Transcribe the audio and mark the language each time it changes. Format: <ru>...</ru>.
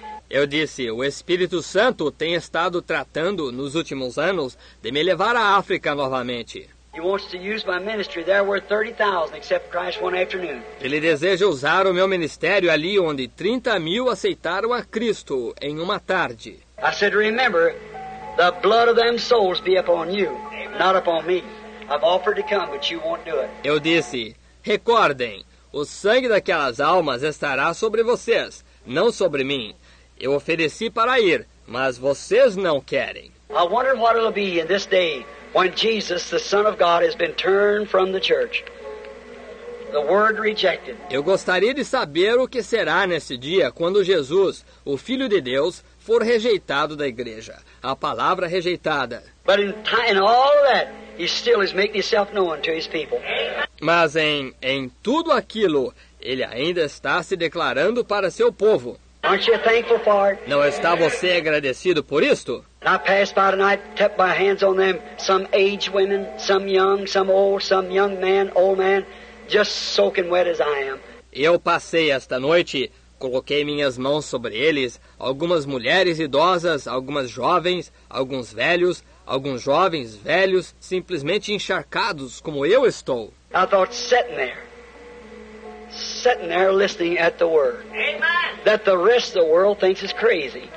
<pt>Eu disse, o Espírito Santo tem estado tratando nos últimos anos de me levar à África novamente.</pt> <en>He wants to use my ministry there where 30,000 accept Christ one afternoon.</en> <pt>Ele deseja usar o meu ministério ali onde 30 mil aceitaram a Cristo em uma tarde.</pt> <en>I said, remember, the blood of them souls be upon you, not upon me. I've offered to come, but you won't do it.</en> <pt>Eu disse, recordem, o sangue daquelas almas estará sobre vocês, não sobre mim. Eu ofereci para ir, mas vocês não querem.</pt> <en>I wonder what it'll be in this day. When Jesus, the Son of God, has been turned from the church, the word rejected.</en> <pt>Eu gostaria de saber o que será nesse dia quando Jesus, o Filho de Deus, for rejeitado da igreja, a palavra rejeitada.</pt> <en>But in all that, he still is making himself known to his people.</en> <pt>Mas em tudo aquilo, ele ainda está se declarando para seu povo.</pt> <en>Aren't you thankful for it?</en> <pt>Não está você agradecido por isto?</pt> <en>I passed by tonight, tapped my hands on them, some aged women, some young, some old, some young man, old man, just soaking wet as I am.</en> <pt>Eu passei esta noite, coloquei minhas mãos sobre eles, algumas mulheres idosas, algumas jovens, alguns velhos, alguns jovens, velhos, simplesmente encharcados, como eu estou.</pt> <en>I thought sitting there listening at the word. Amen. That the rest of the world thinks is crazy.</en>